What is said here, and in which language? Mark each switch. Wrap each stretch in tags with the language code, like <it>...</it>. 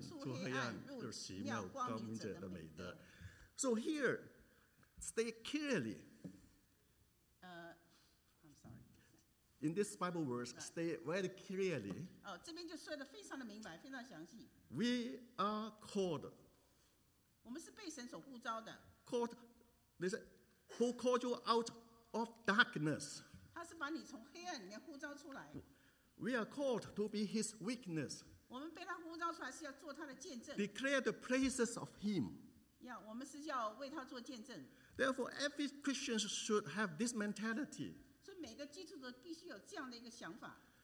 <zh>出黑暗入奇妙光明者的美德。</zh> <en>So here. State clearly. I'm sorry. In this Bible verse, state very clearly.</en> <zh>Oh, 这边就说的非常的明白，非常详细。</zh> <en>We are called.</en> <zh>我们是被神所呼召的。</zh> <en>Called, they said, who called you out of darkness?</en> <zh>他是把你从黑暗里面呼召出来。</zh> <en>We are called to be His witness.</en> <zh>我们被他呼召出来是要做他的见证。</zh> <en>Declare the praises of Him.</en> <zh>Yeah, 我们是要为他做见证。</zh> <en>Therefore, every Christian should have this mentality.</en> <zh>So, 每个基督徒必须有这样的一个想法。</zh>